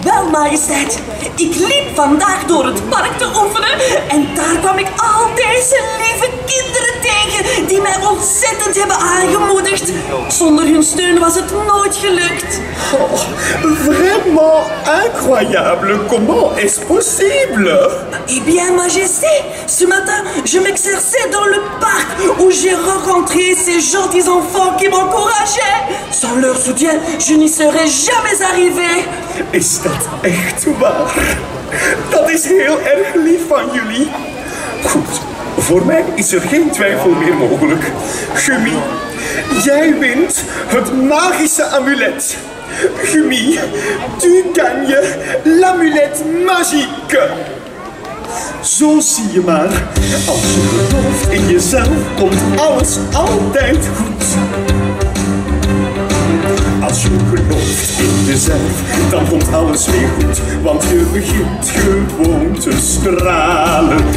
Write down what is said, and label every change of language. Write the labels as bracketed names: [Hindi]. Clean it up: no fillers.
[Dutch] Majesteit, ik liep vandaag door het park te oefenen en daar kwam ik al deze lieve kinderen tegen die mij ontzettend hebben aangemoedigd. Zonder hun steun was het nooit gelukt. [French] Oh, vraiment incroyable, comment est-ce possible? Eh bien, majesté, ce matin, je m'exerçais dans le parc où j'ai rencontré ces gentils enfants qui m'encourageaient. Sans leur soutien, je n'y serais jamais arrivée. [Dutch] Is dat echt waar? Dat is heel erg lief van jullie. Goed, voor mij is er geen twijfel meer mogelijk. Gummy, jij wint het magische amulet. [French] Gummy, tu gagnes l'amulet magique. [Dutch] Zo zie je maar. Als je gelooft in jezelf, komt alles altijd goed. Als je gelooft in jezelf, dan komt alles weer goed. Want je begint gewoon te stralen.